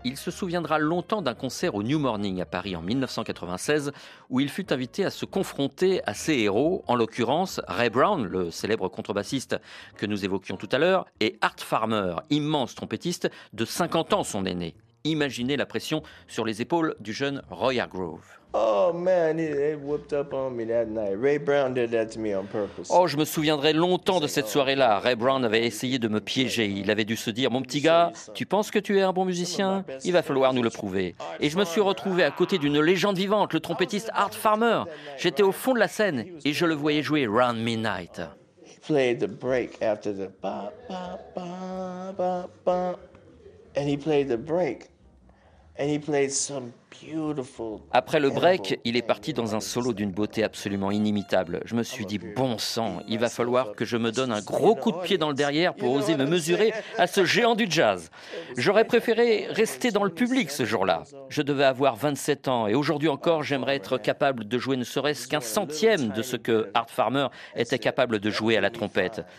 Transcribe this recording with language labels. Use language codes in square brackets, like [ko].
[fr] Il se souviendra longtemps d'un concert au New Morning à Paris en 1996, où il fut invité à se confronter à ses héros, en l'occurrence Ray Brown, le célèbre contrebassiste que nous évoquions tout à l'heure, et Art Farmer, immense trompettiste de 50 ans son aîné. Imaginez la pression sur les épaules du jeune Roy Hargrove. [en] Oh man, they whooped up on me that night. Ray Brown did that to me on purpose. [fr] Oh, je me souviendrai longtemps de cette soirée-là. Ray Brown avait essayé de me piéger. Il avait dû se dire, mon petit gars, tu penses que tu es un bon musicien? Il va falloir nous le prouver. Et je me suis retrouvé à côté d'une légende vivante, le trompettiste Art Farmer. J'étais au fond de la scène et je le voyais jouer Round Midnight. [en] He played the break after the ba ba ba ba ba. And he played the break. And he played some beautiful. [fr] Après le break, il est parti dans un solo d'une beauté absolument inimitable. Je me suis dit, bon sang, il va falloir que je me donne un gros coup de pied dans le derrière pour oser me mesurer à ce géant du jazz. J'aurais préféré rester dans le public ce jour-là. Je devais avoir 27 ans et aujourd'hui encore, j'aimerais être capable de jouer ne serait-ce qu'un centième de ce que Art Farmer était capable de jouer à la trompette.